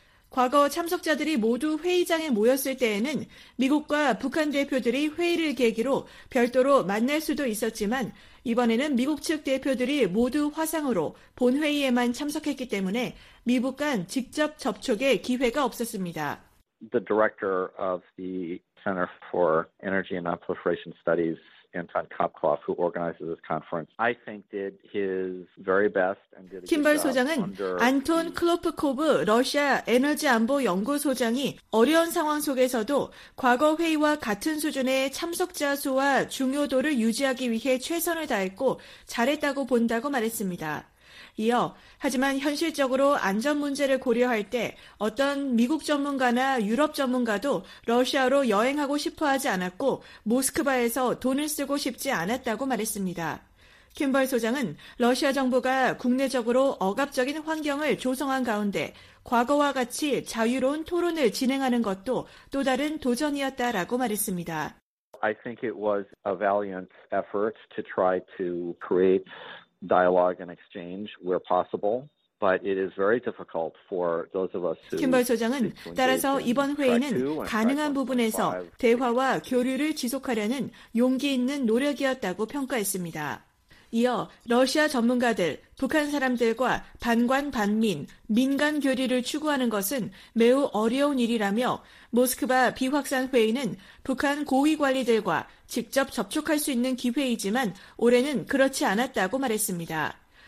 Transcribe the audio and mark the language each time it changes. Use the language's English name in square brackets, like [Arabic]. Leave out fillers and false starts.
[Korean] 과거 참석자들이 모두 회의장에 모였을 때에는 미국과 북한 대표들이 회의를 계기로 별도로 만날 수도 있었지만 이번에는 미국 측 대표들이 모두 화상으로 본회의에만 참석했기 때문에 미북 간 직접 접촉의 기회가 없었습니다. [English] The director of the Center for Energy and Nonproliferation Studies, Anton Kopkov, who organizes this conference, I think did his very best and did a good job. [Korean] 킴벌 소장은 안톤 클로프코브 러시아 에너지 안보 연구소장이 어려운 상황 속에서도 과거 회의와 같은 수준의 참석자 수와 중요도를 유지하기 위해 최선을 다했고 잘했다고 본다고 말했습니다. 이어 하지만 현실적으로 안전 문제를 고려할 때 어떤 미국 전문가나 유럽 전문가도 러시아로 여행하고 싶어 하지 않았고 모스크바에서 돈을 쓰고 싶지 않았다고 말했습니다. 킴벌 소장은 러시아 정부가 국내적으로 억압적인 환경을 조성한 가운데 과거와 같이 자유로운 토론을 진행하는 것도 또 다른 도전이었다라고 말했습니다. [English] I think it was a valiant effort to try to create dialogue and exchange where possible. But it is very difficult for those of us who [Korean] 킴벌 소장은 따라서 이번 회의는 가능한 부분에서 대화와 교류를 지속하려는 용기 있는 노력이었다고 평가했습니다. 이어 러시아 전문가들, 북한 사람들과 반관반민, 민간 교류를 추구하는 것은 매우 어려운 일이라며 모스크바 비확산 회의는 북한 고위 관리들과 직접 접촉할 수 있는 기회이지만 올해는 그렇지 않았다고 말했습니다.